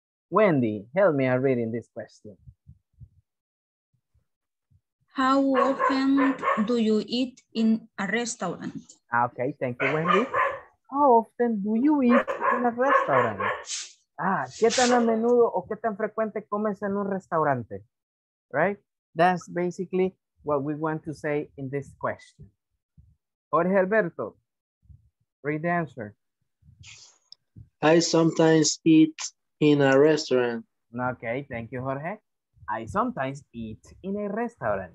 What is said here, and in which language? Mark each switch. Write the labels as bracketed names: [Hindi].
[English] Wendy, help me out reading this question. How often do you eat in a restaurant? Okay, thank you, Wendy. How often do you eat in a restaurant? [Spanish] Ah, ¿qué tan a menudo o qué tan frecuente comes en un restaurante? [English] Right? That's basically what we want to say in this question. Jorge Alberto, read the answer. I sometimes eat in a restaurant. Okay, thank you, Jorge. I sometimes eat in a restaurant.